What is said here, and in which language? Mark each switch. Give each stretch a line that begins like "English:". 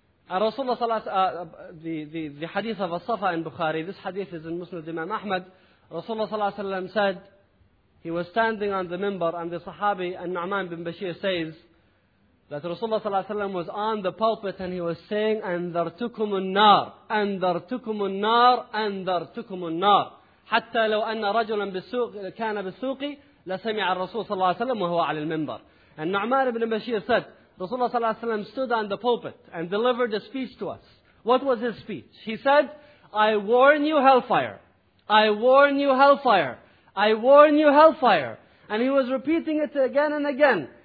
English: The hadith of As-Safa in Bukhari, this hadith is in Musnad Imam Ahmad. Rasulullah sallallahu alayhi wa sallam said, he was standing on the minbar, and the Sahabi An-Nu'man bin Bashir says that Rasulullah sallallahu alayhi wa sallam was on the pulpit and he was saying,
Arabic: أنذرتكم النار, أنذرتكم النار, أنذرتكم النار. حتى لو أن رجلا بالسوق كان بالسوقي لسمع الرسول صلى الله عليه وسلم وهو على المنبر.
English: And Nu'man ibn Bashir said, Rasulullah sallallahu alayhi wa sallam stood on the pulpit and delivered a speech to us. What was his speech? He said, I warn you hellfire. I warn you hellfire. I warn you hellfire. And he was repeating it again and again.